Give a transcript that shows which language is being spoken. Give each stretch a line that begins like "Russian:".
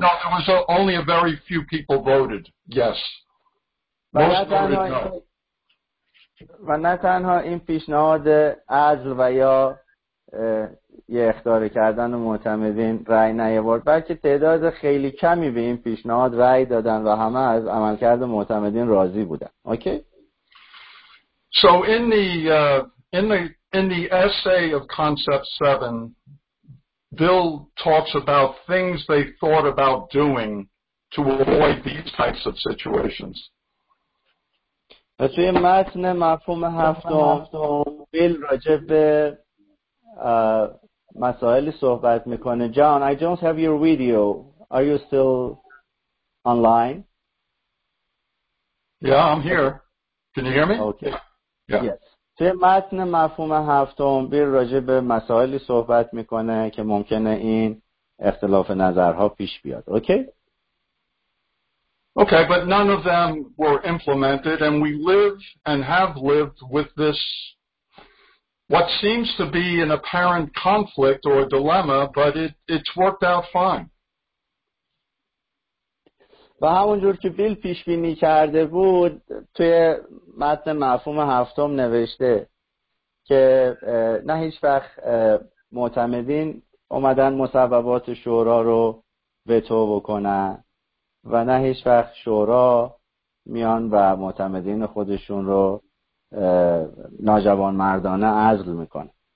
English: No, there was only a very few people voted. Yes. Most voted no.
Persian: و نه تنها این پیشنهاد عزل و یا یه اخطار کردن و معتمدین رأی نیاورد بلکه تعداد خیلی کمی به این پیشنهاد رأی دادن و همه از عملکرد معتمدین راضی بودن.
English: Okay? So in the essay of concept 7 Bill talks about things they thought about doing to avoid these types of situations.
Persian: توی متن مفهوم هفتم بیل راجع به مسائلی صحبت میکنه.
English: John, I don't have your video. Are you still online? Yeah, I'm here. Can you hear me? Okay. Yeah. Yes.
Persian: توی متن مفهوم هفتم بیل راجع به مسائلی صحبت میکنه که ممکنه این اختلاف نظرها پیش بیاد.
English: Okay? Okay, but none of them were implemented and we live and have lived with this what seems to be an apparent conflict or dilemma, but it's worked out fine.
Persian: و همونجور که بیل پیشبینی کرده بود توی متن مفهوم هفتم نوشته که نه هیچ وقت معتمدین اومدن مصوبات شورا رو وتو بکنن و نه هیچ وقت شورا میان و معتمدین خودشون رو ناجوان مردانه عزل میکنه.